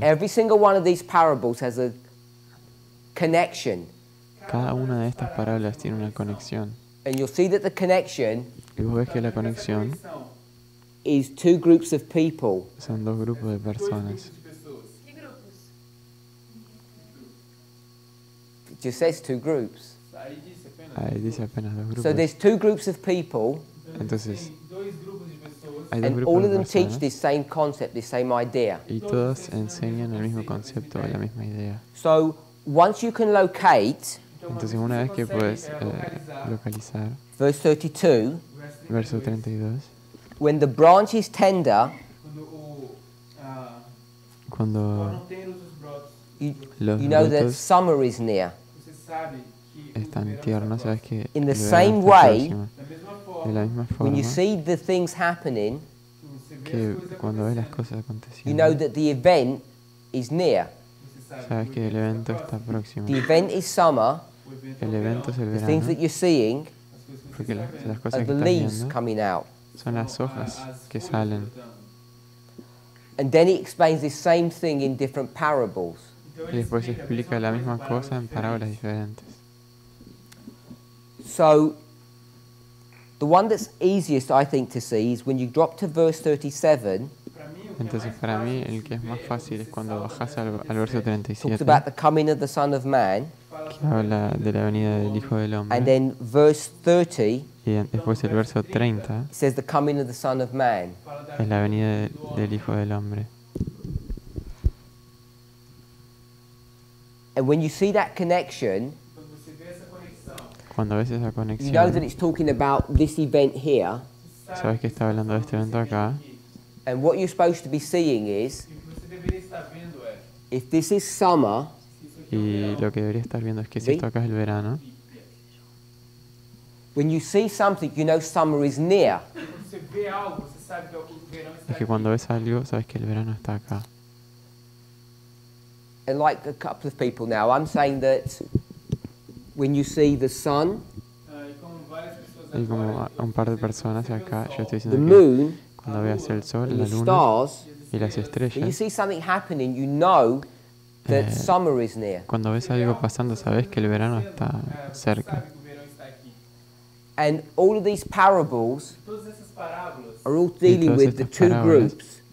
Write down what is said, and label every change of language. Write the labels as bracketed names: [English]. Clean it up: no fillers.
[English] Every single one of these parables has a connection. [Spanish] Cada una de estas parábolas tiene una conexión. [English] And you'll see that the connection. [Spanish] Y vos ves que la conexión. [English] Is two groups of people. [Spanish] Son dos grupos de personas. [English] It just says two groups. [Spanish] Ahí dice apenas dos grupos. [English] So there's two groups of people. [Spanish] Entonces. [English] And all of them teach this same concept, this same idea. [Spanish] Y todos enseñan el mismo concepto, la misma idea. [English] So once you can locate. [Spanish] Entonces una vez que puedes localizar. [English] Verse 32. [Spanish] Verso 32. [English] When the branch is tender, [Spanish] cuando [English] you know that summer is near. [Spanish] Están tiernos, sabes que [English] in the same way, [Spanish] de la misma forma, [English] when you see the things happening, [Spanish] que cuando ves las cosas aconteciendo, [English] you know that the event is near. [Spanish] Sabes que el evento está próximo. [English] The event is summer. [Spanish] El evento es el verano. [English] The things that you're seeing [Spanish] las cosas [English] are the leaves coming out. [Spanish] Son las hojas que salen. [English] And then he explains the same thing in different parables. [Spanish] Y después explica la misma cosa en parábolas diferentes. [English] So, the one that's easiest, I think, to see is when you drop to verse 37. [Spanish] Entonces, para mí, el que es más fácil es cuando bajas al verso 37. [English] Talks about the coming of the Son of Man. [Spanish] Que habla de la venida del Hijo del Hombre. [English] And then verse 30. [Spanish] Y después el verso 30. [English] Says the coming of the Son of Man. [Spanish] Es la venida del Hijo del Hombre. [English] And when you see that connection. [Spanish] Cuando ves esa conexión. [English] You know that it's talking about this event here. [Spanish] Sabes que está hablando de este evento acá. [English] And what you're supposed to be seeing is. If this is summer. [Spanish] Y lo que debería estar viendo es que si esto acá es el verano. [English] When you see something, you know summer is near. [Spanish] Es que cuando ves algo, sabes que el verano está acá. [English] And like a couple of people now, I'm saying that when you see the sun. [Spanish] Y como un par de personas acá, yo estoy diciendo [English] the moon, [Spanish] que cuando veas el sol, la luna [English] stars, [Spanish] y las estrellas. [English] When you see something happening, you know. That summer is near. [Spanish] Cuando ves algo pasando, sabes que el verano está cerca. [English] And all of these parables are all dealing with the two groups.